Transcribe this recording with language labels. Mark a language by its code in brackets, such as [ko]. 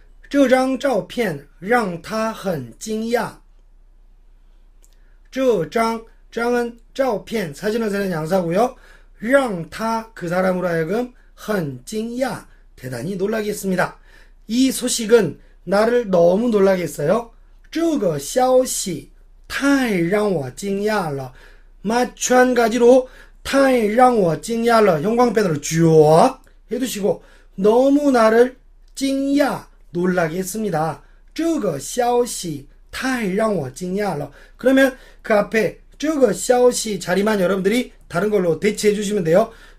[zh] 这张照片让他很惊讶. [ko] 这张은 照片, 사진을 쓰는 양사고요. 让他 그 사람으로 하여금 很惊讶, 대단히 놀라게 했습니다. 이 소식은 나를 너무 놀라게 했어요. [zh] 这个消息太让我惊讶了. [ko] 마찬가지로 [zh] 太让我惊讶了. [ko] 형광펜으로 쭉 해두시고 너무 나를 惊讶 놀라게 했습니다. [zh] 这个消息太让我惊讶了. [ko] 그러면 그 앞에 [zh] 这个消息 [ko] 자리만 여러분들이 다른 걸로 대체해 주시면 돼요.